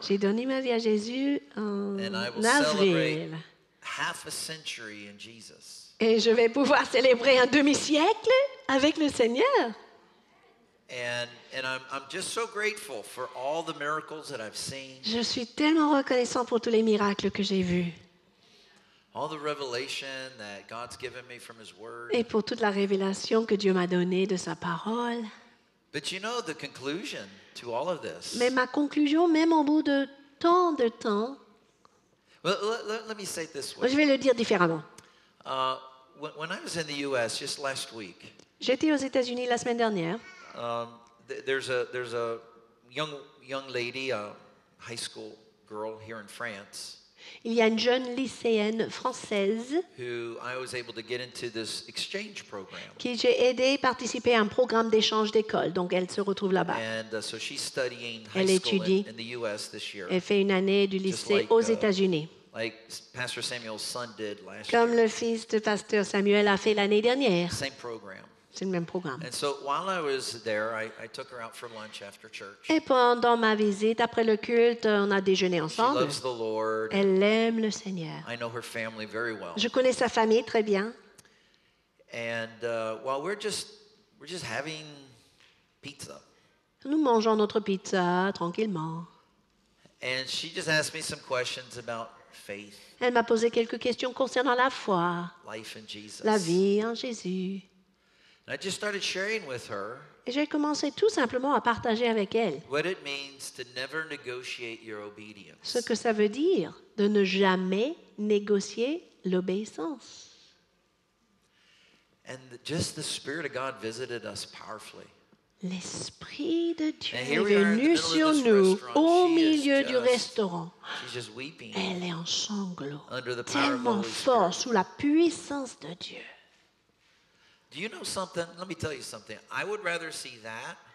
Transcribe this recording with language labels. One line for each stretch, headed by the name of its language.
French: J'ai donné ma vie à Jésus en avril.
English: Half a century in Jesus.
French: Et je vais pouvoir célébrer un demi-siècle avec le Seigneur.
English: And I'm just so grateful for all the miracles that I've seen.
French: Je suis tellement reconnaissant pour tous les miracles que j'ai vus.
English: All the revelation that God's given me from His Word.
French: Et pour toute la révélation que Dieu m'a donnée de Sa parole.
English: But you know the conclusion to all of this.
French: Mais ma conclusion, même au bout de tant de temps.
English: Well, let me say it this way.
French: Je vais le dire différemment.
English: When I was in the U.S. just last week.
French: J'étais aux États-Unis la semaine dernière.
English: There's a young lady, a high school girl here in France.
French: Il y a une jeune lycéenne française
English: who I was able to get into this exchange program.
French: Qui j'ai aidé à participer à un programme d'échange d'école. Donc, elle se retrouve là-bas.
English: And, so she's studying high
French: elle étudie
English: school in the US this year.
French: Et fait une année du lycée
English: like,
French: aux États-Unis.
English: Like Pastor Samuel's son did last
French: comme
English: year.
French: Comme le fils de Pasteur Samuel a fait l'année dernière.
English: Same program.
French: C'est le même programme.
English: And so while I was there, I took her out for lunch after church.
French: Et pendant ma visite, après le culte, on a déjeuné ensemble.
English: She loves the Lord.
French: Elle aime le Seigneur.
English: I know her family very well.
French: Je connais sa famille très bien.
English: And while we're just having pizza.
French: Nous mangeons notre pizza tranquillement.
English: And she just asked me some questions about faith.
French: Elle m'a posé quelques questions concernant la foi.
English: Life in Jesus.
French: La vie en Jésus.
English: I just started sharing with her.
French: Et j'ai commencé tout simplement à partager avec elle.
English: What it means to never negotiate your obedience.
French: Ce que ça veut dire de ne jamais négocier l'obéissance.
English: And just the Spirit of God visited us powerfully.
French: L'Esprit de Dieu est venu sur nous au milieu du restaurant. Elle est en sanglots. Tellement fort sous la puissance de Dieu.
English: Do you know something? Let me tell you something. I would rather see that.